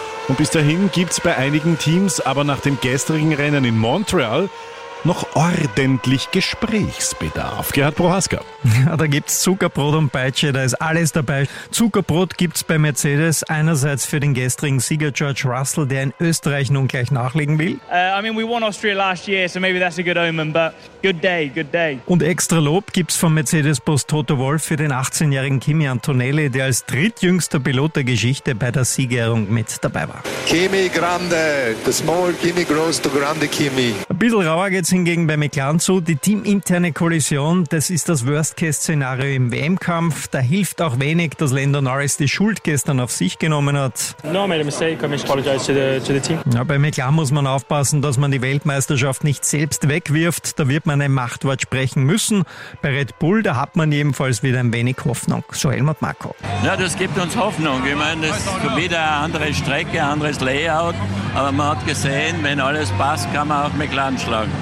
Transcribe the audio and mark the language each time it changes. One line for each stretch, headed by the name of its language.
German: Und bis dahin gibt's bei einigen Teams aber nach dem gestrigen Rennen in Montreal noch ordentlich Gesprächsbedarf. Gerhard Prohaska. Ja, da gibt's Zuckerbrot und Peitsche, da ist alles dabei. Zuckerbrot gibt's bei Mercedes einerseits für den gestrigen Sieger George Russell, der in Österreich nun gleich nachlegen will.
English: We won Austria last year, so maybe that's a good omen, but good day, good day.
German: Und extra Lob gibt's vom Mercedes-Boss Toto Wolff für den 18-jährigen Kimi Antonelli, der als drittjüngster Pilot der Geschichte bei der Siegerehrung mit dabei war.
English: Kimi Grande, the small Kimi grows to Grande Kimi.
German: Ein bisschen rauer geht's hingegen bei McLaren zu. Die teaminterne Kollision, das ist das Worst-Case-Szenario im WM-Kampf. Da hilft auch wenig, dass Lando Norris die Schuld gestern auf sich genommen hat.
English: No, I made a mistake. I must apologize to the team.
German: Ja, bei McLaren muss man aufpassen, dass man die Weltmeisterschaft nicht selbst wegwirft. Da wird man ein Machtwort sprechen müssen. Bei Red Bull, da hat man jedenfalls wieder ein wenig Hoffnung. So Helmut Marko. Ja, das gibt uns Hoffnung. Ich meine, das ist wieder eine andere Strecke, ein anderes Layout. Aber man hat gesehen, wenn alles passt, kann man auch McLaren schlagen.